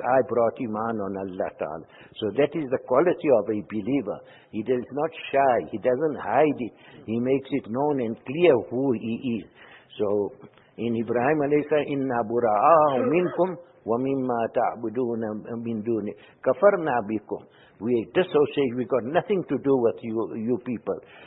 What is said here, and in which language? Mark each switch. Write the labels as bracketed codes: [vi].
[en] I brought iman on Allah Ta'ala. So that is the quality of a believer. He is not shy. He doesn't hide it. He makes it known and clear who he is. So in Ibrahim alayhi salam, [ar] إِنَّا بُرَآءُ مِنْكُمْ وَمِمَّا تَعْبُدُونَ مِنْ دُونِ كَفَرْنَا بِكُمْ. [en] We dissociate. We got nothing to do with you people.